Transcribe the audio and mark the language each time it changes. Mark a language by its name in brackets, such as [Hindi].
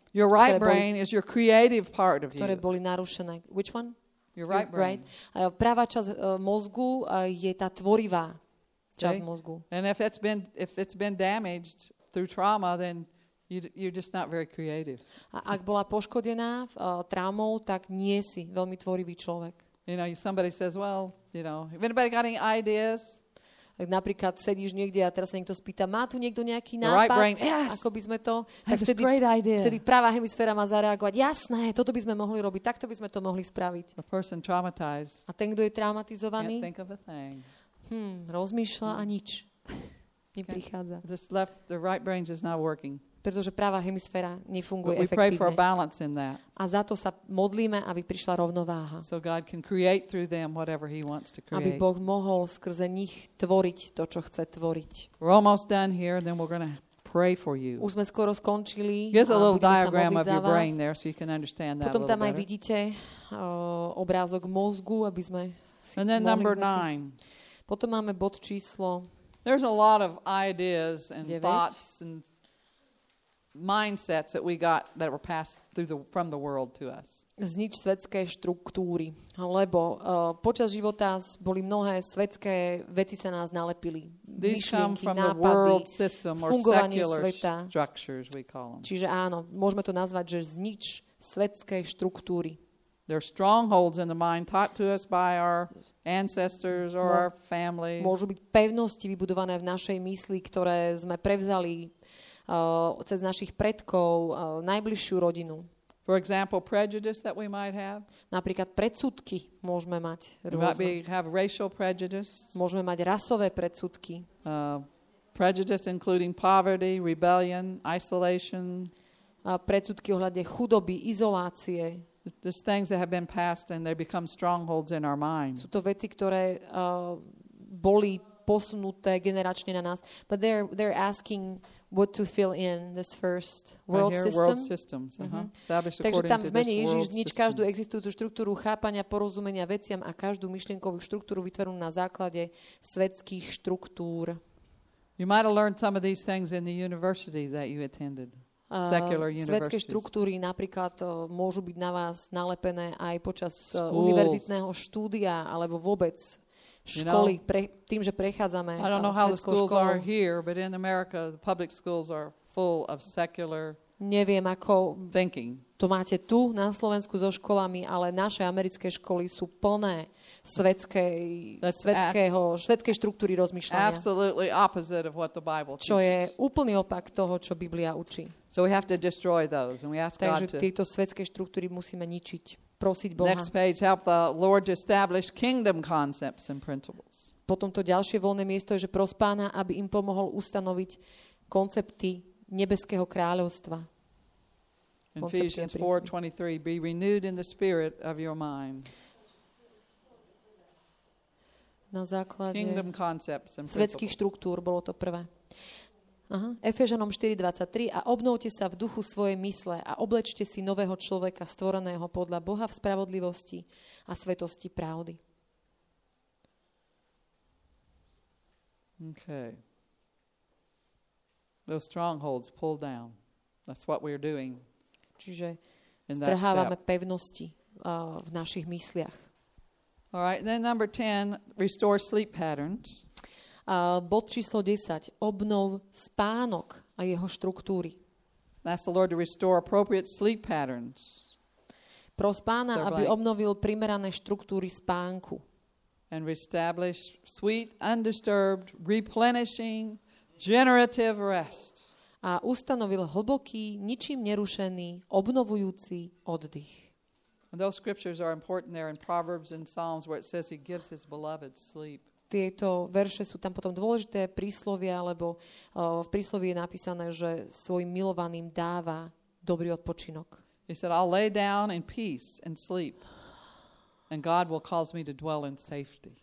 [English] Your right brain is your creative part of you. [Slovak] Ktoré boli narušené. [English] Which one? Your right brain. [Slovak] Pravá časť mozgu je tá tvorivá časť mozgu. [English] And if it's been damaged through trauma, then you're just not very creative. [Slovak] A ak bola poškodená traumou, tak nie si veľmi tvorivý človek. [English] You know, somebody says, well, you know, if anybody got any ideas? [Slovak] Ak napríklad sedíš niekde a teraz sa niekto spýta, má tu niekto nejaký nápad? [English] Right brain, yes! [Slovak] Ako by sme to? [English] That's a great idea. [Slovak] Vtedy pravá hemisféra má zareagovať. Jasné, toto by sme mohli robiť, takto by sme to mohli spraviť. [English] A person traumatized. [Slovak] A ten, kto je traumatizovaný? [English] Can't think of a thing. [Slovak] Rozmýšľa a nič. Neprichádza. [English] Just left, the right brain is not working. [Slovak] Pretože pravá hemisféra nefunguje efektívne. A za to sa modlíme, aby prišla rovnováha. [English] So God can create through them whatever he wants to create. [Slovak] Aby Boh mohol skrze nich tvoriť to, čo chce tvoriť. [English] We're almost done here, then we're going to pray for you. [Slovak] Už sme skoro skončili. [English] Here's a little diagram of your brain there so you can understand that. [Slovak] Potom tam aj vidíte obrázok mozgu, aby sme si [English] and then number 9. [Slovak] Potom máme bod číslo. [English] There's a lot of ideas and 9. thoughts and mindsets that we got that were passed through from the world to us. [Slovak] Znič svetské štruktúry, lebo počas života boli mnohé svetské veci sa nás nalepili. [English] These come from the world system or secular structures, we call them. [Slovak] Čiže áno, môžeme to nazvať, že znič svetskej štruktúry. [English] They're strongholds in the mind taught to us by our ancestors or our families. [Slovak] Môžu byť pevnosti vybudované v našej mysli, ktoré sme prevzali cez našich predkov, najbližšiu rodinu. [English] For example, prejudice that we might have. [Slovak] Napríklad predsudky môžeme mať rôzne. [English] We have racial prejudice. [Slovak] Môžeme mať rasové predsudky. [English] Prejudice including poverty, rebellion, isolation. [Slovak] Predsudky ohľadne chudoby, izolácie. [English] These things that have been passed and they become strongholds in our mind. [Slovak] Sú to veci, ktoré boli posunuté generačne na nás. [English] But they're asking what to fill in this first world system. World systems, uh-huh. [Slovak] Takže tam v mene Ježiš znič každú existujúcu štruktúru chápania, porozumenia veciam a každú myšlienkovú štruktúru vytvorenú na základe svetských štruktúr. [English] You might have learned some of these things in the university that you attended. [Slovak] Svetské štruktúry napríklad môžu byť na vás nalepené aj počas univerzitného štúdia alebo vôbec školy, tým, že prechádzame svetskou školou. [English] I don't know how the schools are here, but in America the public schools are full of secular thinking. [Slovak] Neviem, ako to máte tu na Slovensku so školami, ale naše americké školy sú plné svetskej štruktúry rozmýšľania. [English] Absolutely opposite of what the Bible teaches. [Slovak] Čo je úplný opak toho, čo Biblia učí. [English] So we have to destroy those and we ask [Slovak] Takže [English] God to. [Slovak] Takže tieto svetské štruktúry musíme ničiť. Prosiť Boha. [English] Next page, help the Lord to establish kingdom concepts and principles. [Slovak] Potom to ďalšie voľné miesto je, že pros Pána, aby im pomohol ustanoviť koncepty nebeského kráľovstva. [English] Ephesians 4:23, be renewed in the spirit of your mind. [Slovak] Na základe [English] kingdom concepts and [Slovak] svetských štruktúr bolo to prvé. Aha, Efežanom 4:23 a obnovte sa v duchu svojej mysle a oblečte si nového človeka stvoreného podľa Boha v spravodlivosti a svetosti pravdy. [English] Okay. Those strongholds pull down. That's what we're doing. [Slovak] Čiže strhávame pevnosti v našich mysliach. [English] All right, then number 10, restore sleep patterns. [Slovak] Bod číslo 10. Obnov spánok a jeho štruktúry. [English] Ask the Lord to restore appropriate sleep patterns. [Slovak] Pros Pána, aby obnovil primerané štruktúry spánku. [English] And reestablish sweet, undisturbed, replenishing, generative rest. [Slovak] A ustanovil hlboký, ničím nerušený, obnovujúci oddych. [English] And those scriptures are important there in Proverbs and Psalms where it says he gives his beloved sleep. [Slovak] Tieto verše sú tam potom dôležité, príslovia, alebo v príslovi je napísané, že svojim milovaným dáva dobrý odpočinok. [English] He said, I'll lay down in peace and sleep, and God will cause me to dwell in safety.